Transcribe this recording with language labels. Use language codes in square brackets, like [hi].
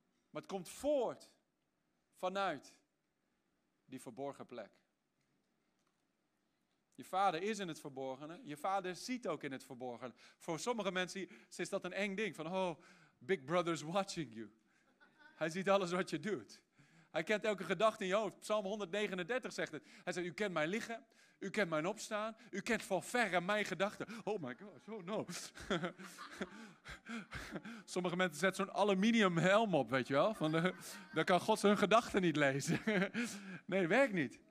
[nl] Maar het komt voort vanuit die verborgen plek. Je Vader is in het verborgene. Je Vader ziet ook in het verborgene. Voor sommige mensen is dat een eng ding. Van, oh, [en] Big Brother's watching you. [nl] Hij ziet alles wat je doet. Hij kent elke gedachte in je hoofd. Psalm 139 zegt het. Hij zegt, u kent mijn liggen. U kent mijn opstaan. U kent van verre mijn gedachten. [en] Oh my gosh, oh no. [nl] Sommige mensen zetten zo'n aluminium helm op, weet je wel. Van dan kan God zijn gedachten niet lezen. Nee, werkt niet.